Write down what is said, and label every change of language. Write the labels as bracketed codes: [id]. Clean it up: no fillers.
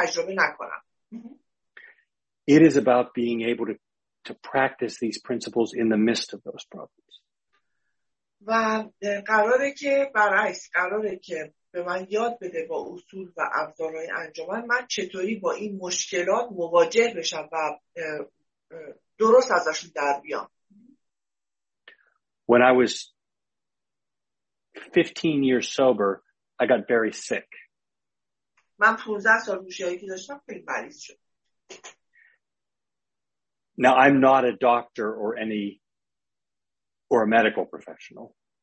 [en] It is about being able to practice these principles in the midst of those problems. [fa] و قراره که برعکس قراره که به من یاد بده با اصول و ابزارهای انجمن من چطوری با این مشکلات مواجه بشم و درست ازشون در بیام. [en] When I was 15 years sober, I got very sick. [fa] من 15 سال هوشیاری که داشتم خیلی مریض شدم. [en] Now, I'm not a doctor or any, or a medical professional.